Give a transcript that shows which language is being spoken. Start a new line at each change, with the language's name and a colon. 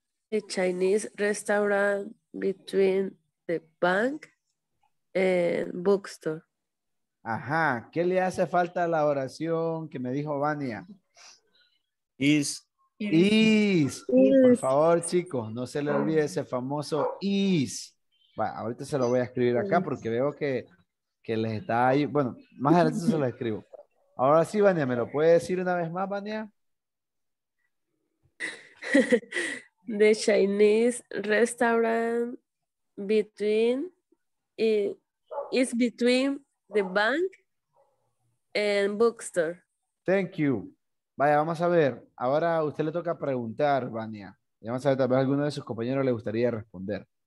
English: The Chinese restaurant between the bank and bookstore.
Spanish: Ajá. ¿Qué le hace falta a la oración que me dijo Vania?
English: Is.
Spanish: Por favor, chicos, no se le olvide ese famoso is. Bueno, ahorita se lo voy a escribir acá porque veo que les está ahí. Bueno, más adelante se lo escribo. Ahora sí, Vania, ¿me lo puede decir una vez más, Vania?
English: The Chinese restaurant between is between the bank and bookstore. Thank you.
Spanish: Vaya, vamos a ver. Ahora a usted le toca preguntar, Vania. Y vamos a ver, tal vez a alguno de sus compañeros le gustaría responder.